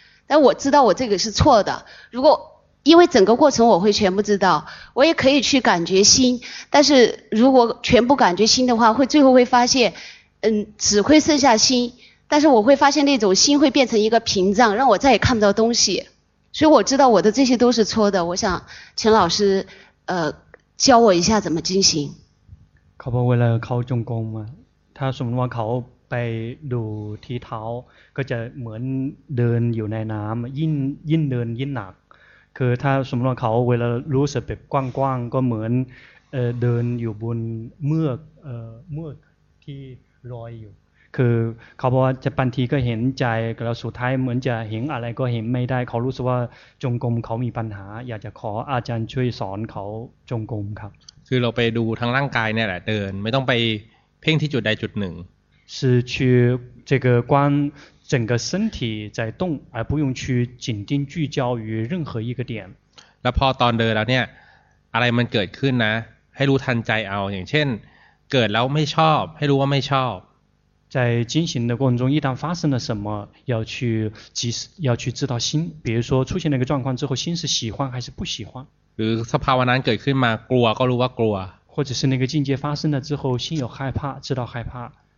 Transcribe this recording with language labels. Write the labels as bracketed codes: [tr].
[zh] 但我知道我这个是错的如果因为整个过程我会全部知道我也可以去感觉心但是如果全部感觉心的话会最后会发现只会剩下心但是我会发现那种心会变成一个屏障让我再也看不到东西所以我知道我的这些都是错的我想请老师教我一下怎么进行 [th] เขาบอกว่าเขาจงกรมถ้าสมมติว่าเขาไปดูที่เท้าก็จะเหมือนเดินอยู่ในน้ำยิ่งเดินยิ่งหนักคือถ้าสมมติว่าเขาเวลารู้สึกแบบกว้างๆก็เหมือนเดินอยู่บนเมือกที่ลอยอยู่คือเขาบอกว่าจะบางทีก็เห็นใจแล้วสุดท้ายเหมือนจะเห็นอะไรก็เห็นไม่ได้เขารู้สึกว่าจงกรมเขามีปัญหาอยากจะขออาจารย์ช่วยสอนเขาจงกรมครับ คือเราไปดูทั้งร่างกายเนี่ยแหละเดินไม่ต้องไปเพ่งที่จุดใดจุดหนึ่ง [zh] 是去这个观整个身体在动而不用去紧盯聚焦于任何一个点 [th] แล้วพอตอนเดินแล้วเนี่ยอะไรมันเกิดขึ้นนะให้รู้ทันใจเอาอย่างเช่นเกิดแล้วไม่ชอบให้รู้ว่าไม่ชอบ [zh] 在进行的过程中一旦发生了什么要去及时要去知道心比如说出现了一个状况之后心是喜欢还是不喜欢 [th] หรือสภาวะนั้นเกิดขึ้นมากลัวก็รู้ว่ากลัว [zh] 或者是那个境界发生了之后心有害怕知道害怕